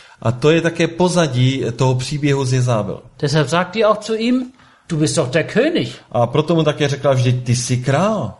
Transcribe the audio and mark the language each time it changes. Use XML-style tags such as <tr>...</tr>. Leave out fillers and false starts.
<cs>A to je také pozadí toho příběhu z Jezabel.</cs> <de>Deshalb sagt die auch zu ihm, du bist doch der König.</de> <cs>A proto mu také řekla, vždyť ty jsi král.</cs>